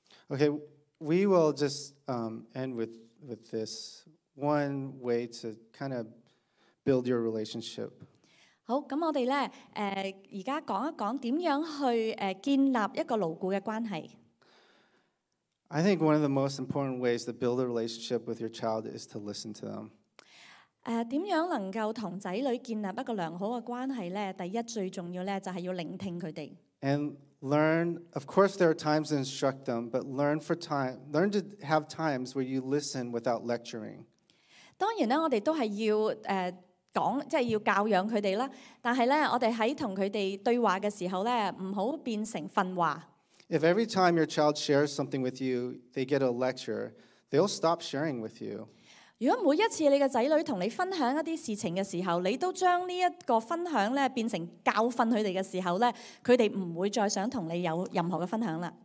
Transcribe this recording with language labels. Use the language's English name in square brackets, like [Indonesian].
[English] Okay, we will just end with this one way to kind of build your relationship. [Cantonese] 好，咁我哋咧而家讲一讲点样去建立一个牢固嘅关系。 [English] I think one of the most important ways to build a relationship with your child is to listen to them. [Cantonese] 点样能够同仔女建立一个良好嘅关系咧？第一最重要咧就系要聆听佢哋。 [English] And learn, of course, there are times to instruct them, but learn to have times where you listen without lecturing. [Cantonese] 当然咧，我哋都系要讲，即系要教养佢哋啦。但系咧，我哋喺同佢哋对话嘅时候咧，唔好变成训话。 [English] If every time your child shares something with you, they get a lecture, they'll stop sharing with you. [Cantonese] 如果每一次你嘅仔女同你分享一啲事情嘅时候，你都将呢一个分享咧变成教训佢哋嘅时候咧，佢哋唔会再想同你有任何嘅分享啦。